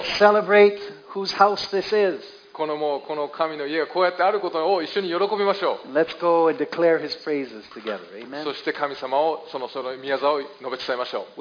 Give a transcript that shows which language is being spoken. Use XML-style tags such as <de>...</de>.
<en>Let's celebrate whose house this is.</en> <ja>このもうこの神の家がこうやってあることを一緒に喜びましょう。</ja> <en>Let's go and declare His praises together. Amen.</en> <ja>そして神様をその御業を述べ伝えましょう。</ja>